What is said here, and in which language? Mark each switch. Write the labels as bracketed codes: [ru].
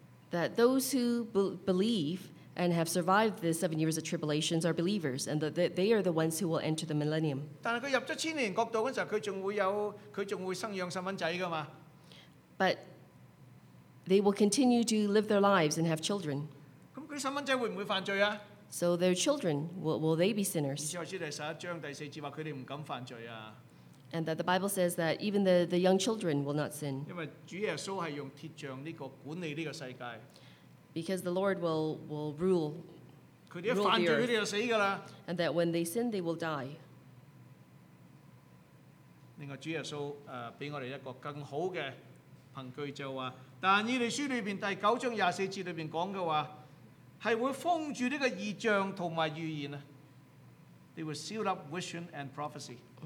[en] That those who believe and have survived the 7 years of tribulations are believers, and that they are the ones who will enter the millennium. [yue] 但係佢入咗千禧年國度嗰陣時候，佢仲會生養細蚊仔噶嘛 [en] ？But they will continue to live their lives and have children. [yue] 咁佢細蚊仔會唔會犯罪啊？ [en] So their children, will they be sinners? [yue] 以賽亞書第十一章第四節話佢哋唔敢犯罪啊。 [en] And that the Bible says that even the young children will not sin. [yue] 因為主耶穌係用鐵匠呢個管理呢個世界。 [en] Because the Lord will rule. [yue] 佢哋一犯罪，佢哋就死㗎啦。 [en] And that when they sin, they will die. [yue] 另外主耶穌俾我哋一個更好嘅憑據，就話但以利書裏邊第九章廿四節裏邊講嘅話。係會封住呢個異象同埋預言啊 ！ [en] They will seal up vision and prophecy.